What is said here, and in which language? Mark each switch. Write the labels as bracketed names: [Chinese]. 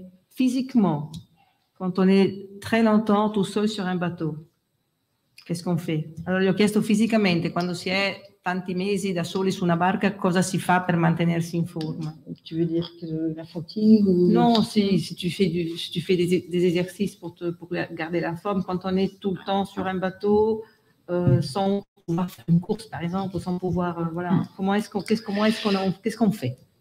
[French] Physiquement, quand on est très longtemps tout seul sur un bateau, qu'est-ce qu'on fait? [Italian] Allora, gli ho chiesto fisicamente, quando si è tanti mesi da soli su una barca, cosa si fa per mantenersi in forma? [French] Tu veux dire que la fatigue? Non, sì, se tu fais des exercices pour garder la forme, quand on est tout le temps sur un bateau, sans une course, par exemple, sans pouvoir, voilà. Comment est-ce qu'on fait